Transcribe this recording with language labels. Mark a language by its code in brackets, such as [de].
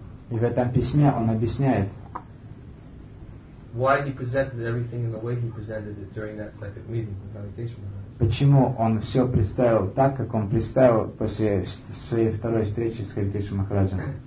[ru] И в этом письме он объясняет, [en] why he presented everything in the way he presented it during that second meeting with Meditation Maharaj. [ru] Почему он все представил так, как он представил после своей второй встречи с Харикешем Махараджем?